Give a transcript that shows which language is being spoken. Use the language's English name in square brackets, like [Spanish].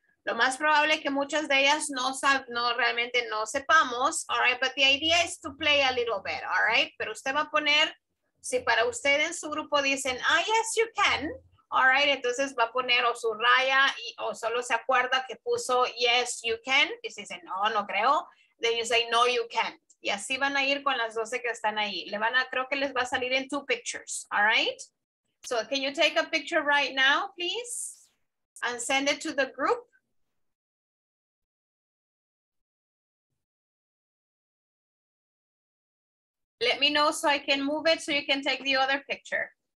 [Spanish] Lo más probable que muchas de ellas no sepamos, all right? [English] But the idea is to play a little bit, all right? [Spanish] Pero usted va a poner, si para usted en su grupo dicen, ah, [English] yes, you can, [Spanish] all right? Entonces va a poner o su raya y, o solo se acuerda que puso, [English] yes, you can, [Spanish] y si dice, no, no creo, [English] then you say, no, you can't. [Spanish] Y así van a ir con las 12 que están ahí. Le van a, creo que les va a salir en 2 pictures, all right? [English] So can you take a picture right now, please? And send it to the group. Let me know so I can move it so you can take the other picture.